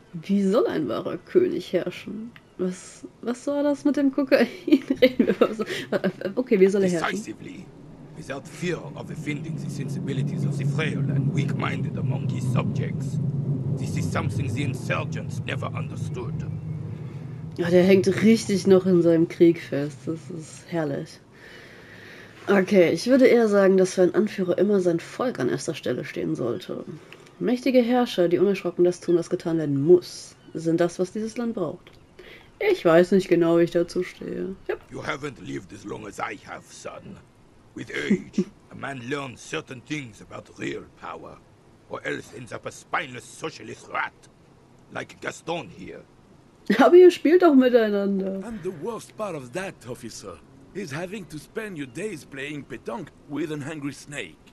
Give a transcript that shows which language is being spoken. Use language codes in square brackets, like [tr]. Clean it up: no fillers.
[de] Wie soll ein wahrer König herrschen? Was war das mit dem Kokain? Reden wir mal so. Okay, wie soll er herrschen? [en] Decisively, without fear of offending the sensibilities of the frail and weak-minded among his subjects. This is something the insurgents never understood. [de] Ja, der hängt richtig noch in seinem Krieg fest. Das ist herrlich. Okay, ich würde eher sagen, dass für einen Anführer immer sein Volk an erster Stelle stehen sollte. Mächtige Herrscher, die unerschrocken das tun, was getan werden muss, sind das, was dieses Land braucht. Ich weiß nicht genau, wie ich dazu stehe. [en] Yep. You haven't lived as long as I have, son. With age, a man learns certain things about real power, or else ends up a spineless socialist rat, like Gaston here. [de] Aber ihr spielt doch miteinander. [en] And the worst part of that, officer, is having to spend your days playing petanque with an angry snake.